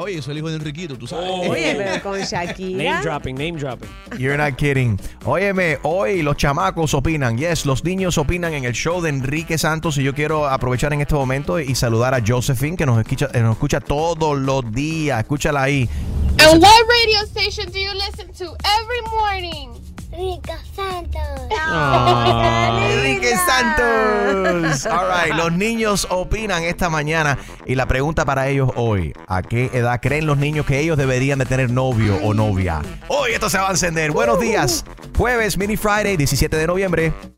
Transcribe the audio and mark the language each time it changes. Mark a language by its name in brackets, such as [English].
[Spanish] Oye, soy el hijo de Enriquito, tú sabes. Oye, pero con Shakira. [English] Name dropping. You're not kidding. [Spanish] Óyeme, hoy los chamacos opinan. Yes, los niños opinan en el show de Enrique Santos. Y yo quiero aprovechar en este momento y saludar a Josephine, que nos escucha todos los días. Escúchala ahí. [English] And what radio station do you listen to every morning? Enrique Santos. [Spanish] All right, los niños opinan esta mañana y la pregunta para ellos hoy: ¿a qué edad creen los niños que ellos deberían de tener novio o novia? Hoy esto se va a encender. Buenos días. Jueves, Mini Friday, 17 de noviembre.